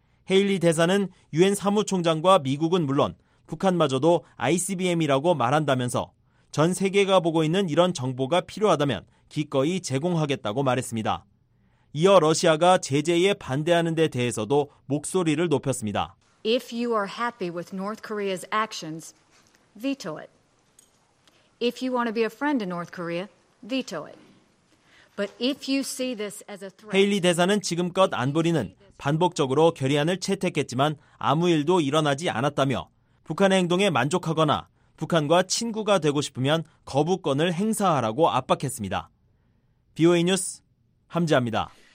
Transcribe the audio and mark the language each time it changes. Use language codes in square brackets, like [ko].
[ko] 헤일리 대사는 유엔 사무총장과 미국은 물론 북한마저도 ICBM이라고 말한다면서 전 세계가 보고 있는 이런 정보가 필요하다면 기꺼이 제공하겠다고 말했습니다. 이어 러시아가 제재에 반대하는 데 대해서도 목소리를 높였습니다. [en] If you are happy with North Korea's actions, veto it. If you want to be a friend to North Korea, veto it. But if you see this as a threat, [ko] 헤일리 대사는 지금껏 안보리는 반복적으로 결의안을 채택했지만 아무 일도 일어나지 않았다며 북한의 행동에 만족하거나 북한과 친구가 되고 싶으면 거부권을 행사하라고 압박했습니다. BOA 뉴스 함지아입니다.